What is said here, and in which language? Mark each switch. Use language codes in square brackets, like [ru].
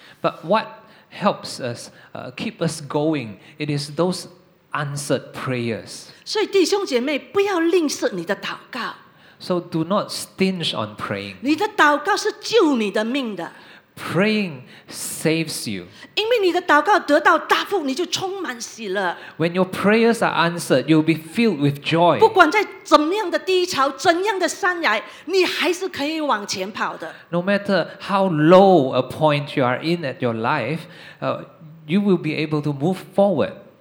[en] But what helps us, keep us going, it is those answered prayers. [zh] 所以弟兄姐妹,不要吝啬你的祷告。 [en] So do not stinge on praying. [zh] 你的祷告是救你的命的。 [en] Praying saves you. [zh] 因为你的祷告得到答复,你就充满喜乐。 [en] When your prayers are answered, you'll be filled with joy. [zh] 不管在怎么样的低潮,怎样的山崖,你还是可以往前跑的。 [en] No matter how low a point you are in at your life, you will be able to move forward.